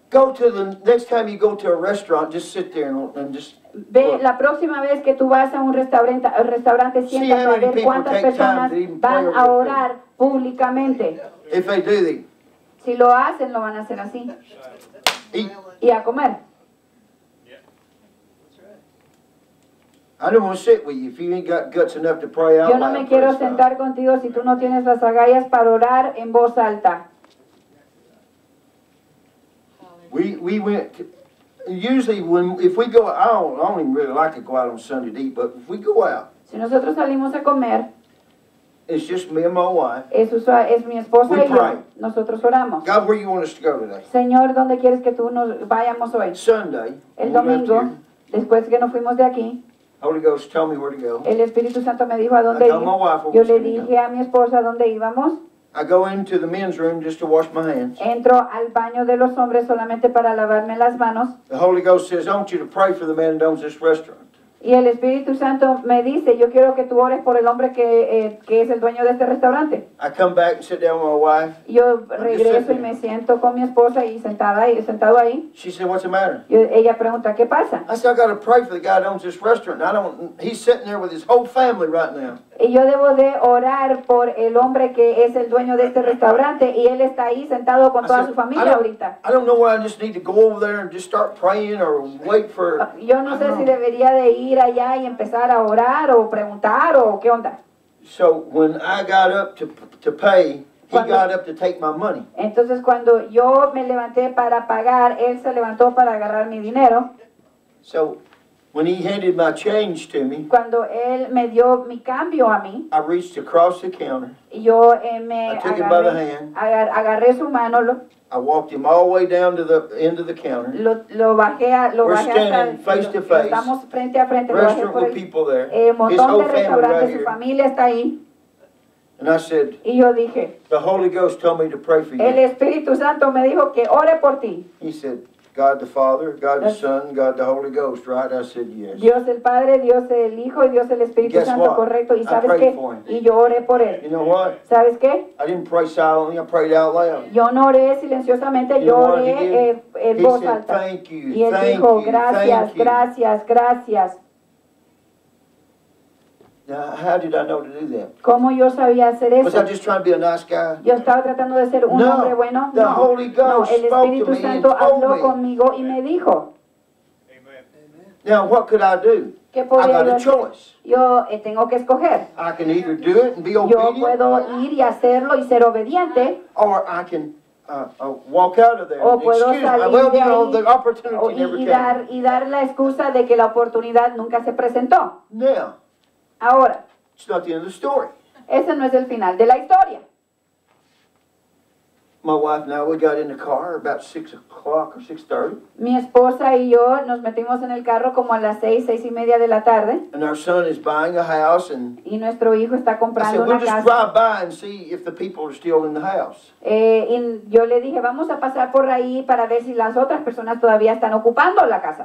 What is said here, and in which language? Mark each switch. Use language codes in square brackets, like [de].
[en] Go to the next time you go to a restaurant, just sit there and just ve look. [es] La próxima vez que tú vas a un restaurante siéntate a ver cuántas personas van a orar públicamente. [en] If they do that. [es] Si lo hacen, lo van a hacer así. [en] Eat. [es] Y a comer. [en] I don't want to sit with you if you ain't got guts enough to pray out loud. [es] Yo no me quiero sentar contigo si tú no tienes las agallas para orar en voz alta. [en] We went to, usually when if we go out, I don't even really like to go out on Sunday to eat, but if we go out, [es] si nosotros salimos a comer, [en] it's just me and my wife. [es] Es mi esposa [en] we [es] y [en] pray. [es] Yo. Nosotros oramos. [en] God, where you want us to go today? [es] Señor, ¿dónde quieres que tú nos vayamos hoy? [en] Sunday. [es] El domingo, después que nos fuimos de aquí. [en] Holy Ghost, tell me where to go. El Espíritu Santo me dijo a dónde ir. I told my wife where [es] yo le dije a mi esposa dónde íbamos. [en] I go into the men's room just to wash my hands. [es] Entro al baño de los hombres solamente para lavarme las manos. [en] The Holy Ghost says, I want you to pray for the man who owns this restaurant. [es] Y el Espíritu Santo me dice, yo quiero que tú ores por el hombre que es el dueño de este restaurante. [en] I come back and sit down with my wife. [es] Yo regreso y me siento con mi esposa y sentado ahí. [en] She said, what's the matter? [es] Ella pregunta, ¿qué pasa? [en] I said, I got to pray for the guy who owns this restaurant. He's sitting there with his whole family right now. [es] Y yo debo de orar por el hombre que es el dueño de este restaurante y él está ahí sentado con toda su familia ahorita. [en] I don't know why I just need to go over there and just start praying or wait for. [es] Yo no sé si debería de ir allá y empezar a orar o preguntar o qué onda. [en] So when I got up to pay, he got up to take my money. [es] Entonces cuando yo me levanté para pagar, él se levantó para agarrar mi dinero. [en] So when he handed my change to me, [es] cuando él me dio mi cambio a mí, [en] I reached across the counter. [es] Yo me agarré su mano. [en] I walked him all the way down to the end of the counter. We're standing face to face. [es] Estamos frente a frente. [en] Restaurant with people there. His whole family right here. [es] Su familia está ahí. [en] And I said, [es] y yo dije, [en] the Holy Ghost told me to pray for you. [es] El Espíritu Santo me dijo que ore por ti. [en] He said, God the Father, God the Son, God the Holy Ghost, right? I said yes. [es] Dios el Padre, Dios el Hijo, y Dios el Espíritu Santo, correcto. ¿Y sabes qué? Y yo oré por él. [en] You know what? [es] ¿Sabes qué? [en] I didn't pray silently, I prayed out loud. [es] Yo no oré silenciosamente, yo oré en voz alta. [en] He said, thank you, [es] y él dijo, gracias, gracias, gracias. [en] Now, how did I know to do that? [es] ¿Cómo yo sabía hacer eso? [en] Was I just trying to be a nice guy? [es] ¿Yo estaba tratando de ser un hombre bueno? [en] No, the Holy Ghost [es] no, el Espíritu [en] spoke [es] Santo [en] to me [es] habló [en] and told [es] conmigo [en] me. [es] Y me dijo. [en] Amen. Now, what could I do? [es] ¿Qué podía [en] I got [es] hacer? [en] A choice. [es] Yo tengo que escoger. [en] I can either do it and be obedient. [es] Yo puedo ir y hacerlo y ser obediente. [en] Or I can walk out of there. [es] O puedo [en] excuse [es] salir [en] me. [es] De ahí. [en] I will know the opportunity [es] y, [en] never [es] y [en] came. [es] Dar, y dar la excusa de que la oportunidad nunca se presentó. [en] Now. [es] Ahora, [en] it's not the end of the story. [es] Ese no es el final de la historia. [en] My wife and I, we got in the car about 6 o'clock or 6:30. [es] Mi esposa y yo nos metimos en el carro como a las 6, 6 y media de la tarde. [en] And our son is buying a house. And [es] y nuestro hijo está comprando [en] said, [es] una [en] we'll [es] casa. [en] I said, we'll just drive by and see if the people are still in the house. [es] Y yo le dije, vamos a pasar por ahí para ver si las otras personas todavía están ocupando la casa.